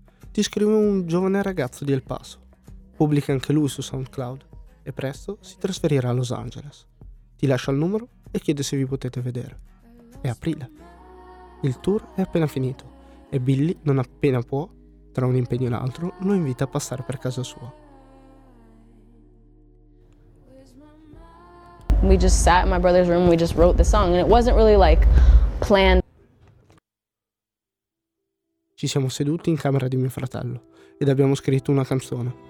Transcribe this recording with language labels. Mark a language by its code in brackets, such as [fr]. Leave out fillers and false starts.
[it] Ti scrive un giovane ragazzo di El Paso, pubblica anche lui su SoundCloud e presto si trasferirà a Los Angeles. Ti lascia il numero e chiede se vi potete vedere. È aprile. Il tour è appena finito e Billy, non appena può, tra un impegno e l'altro, lo invita a passare per casa sua. [en] We just sat in my brother's room, we just wrote the song and it wasn't really like planned. [it] Ci siamo seduti in camera di mio fratello ed abbiamo scritto una canzone.